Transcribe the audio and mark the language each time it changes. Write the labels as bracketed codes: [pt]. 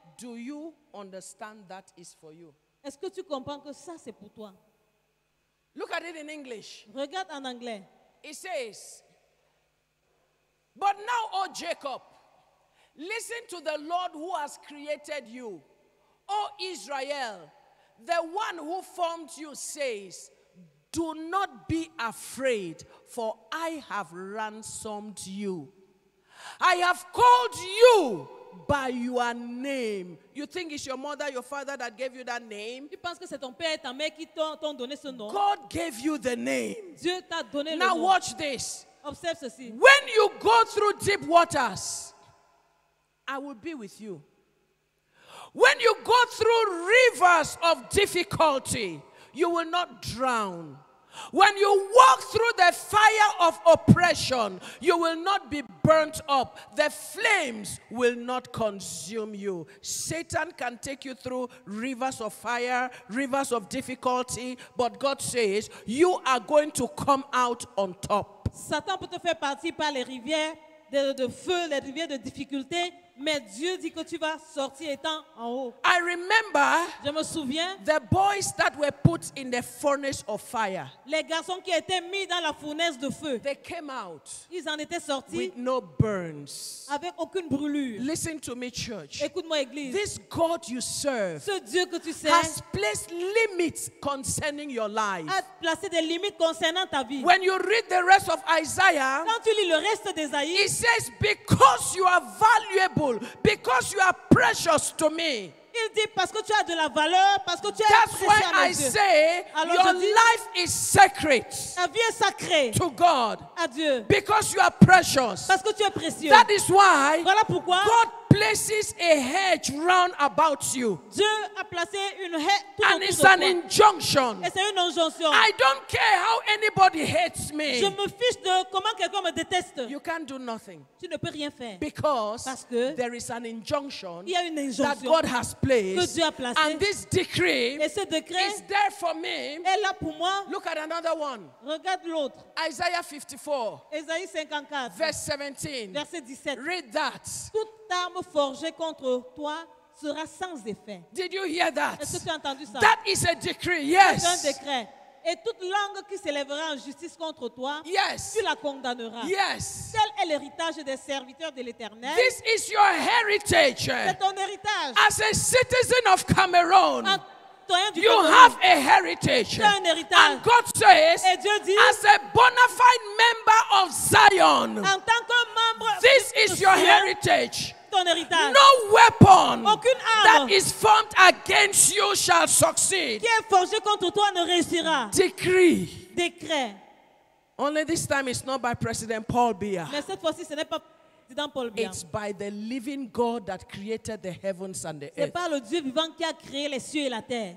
[en] do you understand that is for you? [fr] Est-ce que tu comprends que ça, c'est pour toi? [en] Look at it in English. [fr] Regarde en anglais. [en] It says, but now, O Jacob, listen to the Lord who has created you. O Israel, the one who formed you says, do not be afraid, for I have ransomed you. I have called you by your name. You think it's your mother, your father that gave you that name? [fr] Tu penses que c'est ton père, ta mère qui t'ont donné ce nom? [en] God gave you the name. [fr] Dieu t'a donné le nom. [en] Now watch this. [fr] Observe ceci. [en] When you go through deep waters, I will be with you. When you go through rivers of difficulty, you will not drown. When you walk through the fire of oppression, you will not be burnt up. The flames will not consume you. Satan can take you through rivers of fire, rivers of difficulty, but God says, you are going to come out on top. [fr] Satan peut te faire partir par les rivières de feu, les rivières de difficulté, Mais Dieu dit que tu vas sortir étant en haut. [en] I remember [fr] Je me souviens [en] the boys that were put in the furnace of fire. [fr] Les garçons qui étaient mis dans la fournaise de feu. [en] They came out. [fr] Ils en étaient sortis. [en] With no burns. [fr] Avec aucune brûlure. [en] Listen to me, church. [fr] Écoute-moi, église. [en] This God you serve. [fr] Ce Dieu que tu sers. [en] Has placed limits concerning your life. [fr] A placé des limites concernant ta vie. [en] When you read the rest of Isaiah. [fr] Quand tu lis le reste d'Ésaïe. [en] It says because you are valuable. Because you are precious to me. [fr] Il dit parce que tu as de la valeur, parce que tu es précieux. [en] That's why I say your life is sacred. [fr] Ta vie est sacrée. [en] To God. [fr] À Dieu. [en] Because you are precious. [fr] Parce que tu es précieux. [en] That is why. [fr] Voilà pourquoi. [en] God places a hedge round about you. [fr] Dieu a placé une haie tout autour [en] And it's an injunction. [fr] Et c'est une injonction. [en] I don't care how anybody hates me. [fr] Je me fiche de comment quelqu'un me déteste. [en] You can't do nothing. [fr] Tu ne peux rien faire. [en] Because [fr] parce que [en] there is an injunction, [fr] il y a une injonction [en] that God has placed. [fr] Que Dieu a placé. [en] And this decree, [fr] et ce decree [en] is there for me. [fr] Est là pour moi. [en] Look at another one. [fr] Regarde l'autre. [en] Isaiah 54. [fr] Ésaïe 54. [en] Verse 17. [fr] Verset 17. [en] Read that. [fr] Toute arme forgée contre toi sera sans effet. [en] Did you hear that? [fr] Est-ce que tu as entendu ça? [en] That is a decree. Yes. [fr] C'est un décret. Et toute langue qui s'élèvera en justice contre toi, [en] yes. [fr] Tu la condamneras. [en] Yes. [fr] Tel est l'héritage des serviteurs de l'Éternel. [en] This is your heritage. [fr] C'est ton héritage. [en] As a citizen of Cameroon. You [fr] Cameroun. [en] Have a heritage. [fr] Tu as un héritage. [en] And God says, [fr] et Dieu dit, [en] as a bona fide member of Zion, [fr] en tant que membre, [en] this is your Zion. Heritage. [fr] Ton héritage. [en] No weapon [fr] aucune arme [en] that is formed against you shall succeed. [fr] Qui est forgé contre toi ne réussira. [en] Decree. [fr] Décret. [en] Only this time it's not by President Paul Biya. [fr] Mais cette fois-ci, ce n'est pas président Paul Biya. [en] It's by the living God that created the heavens and the [fr] c'est [en] earth. [fr] Pas le Dieu vivant qui a créé les cieux et la terre.